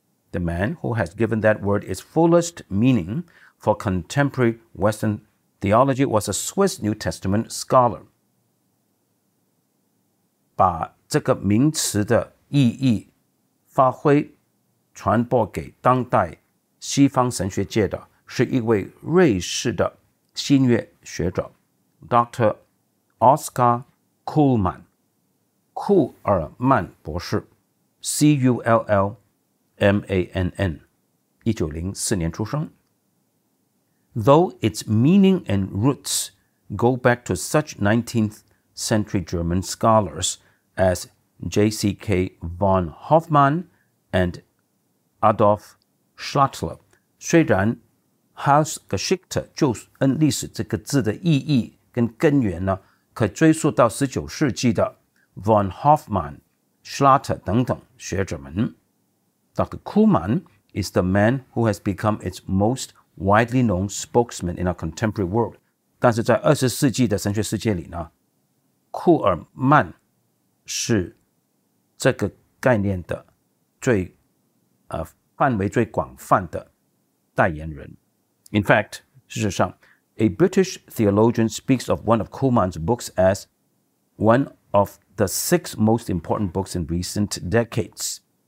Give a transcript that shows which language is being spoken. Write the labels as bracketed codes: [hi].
[en] The man who has given that word its fullest meaning for contemporary Western theology was a Swiss New Testament scholar. [zh] 把这个名词的意义发挥传播给当代西方神学界的是一位瑞士的新约学者 Dr. [en] Oscar Kuhlmann 库尔曼博士 C-U-L-L-M-A-N-N [zh] 1904年出生 [en] Though its meaning and roots go back to such 19th century German scholarsas J.C.K. von Hoffmann and Adolf Schlattler. [zh] 虽然 Heilsgeschichte 救恩历史这个字的意义跟根源呢可追溯到19世纪的 von Hoffmann, Schlattler 等等学者们 Dr. [en] Kuhlmann is the man who has become its most widely known spokesman in our contemporary world. [zh] 但是在20世纪的神学世界里呢库尔曼是这个概念的最范围最广泛的代言人。 [en] In fact, [zh] 事实上 [en] a British theologian speaks of one of Kuhlmann's books as one of the six most important books in recent decades.